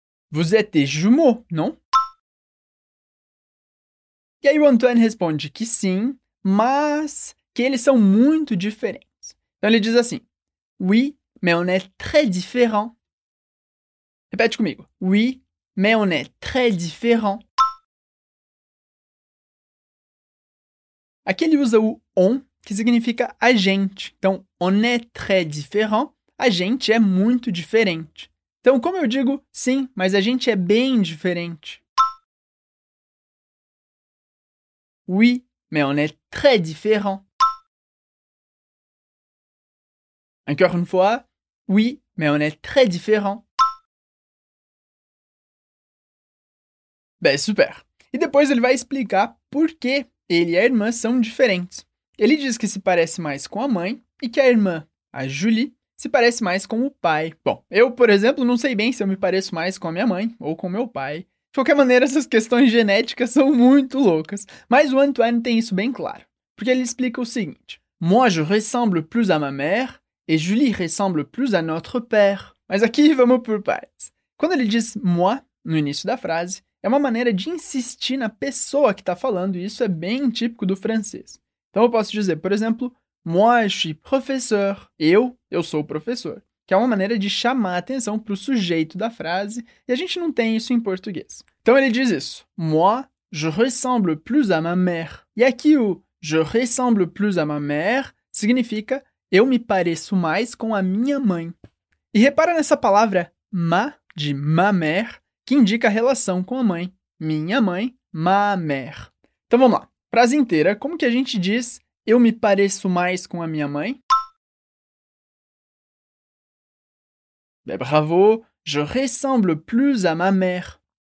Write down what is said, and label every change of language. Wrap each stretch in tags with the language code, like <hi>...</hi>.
<fr>Vous êtes jumeaux, non?</fr> <pt>E aí o Antoine responde que sim, mas que eles são muito diferentes. Então, ele diz assim,</pt> <fr>oui, mais on est très différent.</fr> <pt>Repete comigo,</pt> <fr>oui, mais on est très différent.</fr> <pt>Aqui ele usa o on, que significa a gente. Então,</pt> <fr>on est très différent,</fr> <pt>a gente é muito diferente. Então, como eu digo, sim, mas a gente é bem diferente.</pt> <fr>Oui, mais on est très différent. Encore une fois, oui, mais on est très différent. Ben, super.</fr> <pt>E depois ele vai explicar por que ele e a irmã são diferentes. Ele diz que se parece mais com a mãe e que a irmã, a Julie, se parece mais com o pai. Bom, eu, por exemplo, não sei bem se eu me pareço mais com a minha mãe ou com meu pai. De qualquer maneira, essas questões genéticas são muito loucas. Mas o Antoine tem isso bem claro. Porque ele explica o seguinte.</pt> <fr>Moi, je ressemble plus à ma mère et Julie ressemble plus à notre père.</fr> <pt>Mas aqui, vamos por partes. Quando ele diz moi, no início da frase, é uma maneira de insistir na pessoa que está falando e isso é bem típico do francês. Então, eu posso dizer, por exemplo,</pt> <fr>moi, je suis professeur.</fr> <pt>Eu sou professor. Que é uma maneira de chamar a atenção para o sujeito da frase e a gente não tem isso em português. Então, ele diz isso.</pt> <fr>Moi, je ressemble plus à ma mère.</fr> <pt>E aqui o</pt> <fr>je ressemble plus à ma mère</fr> <pt>significa eu me pareço mais com a minha mãe. E repara nessa palavra ma, de ma mère, que indica a relação com a mãe. Minha mãe,</pt> <fr>ma mère.</fr> <pt>Então, vamos lá. Frase inteira, como que a gente diz eu me pareço mais com a minha mãe?</pt> <fr>Ben, bravo, je ressemble plus à ma mère.</fr>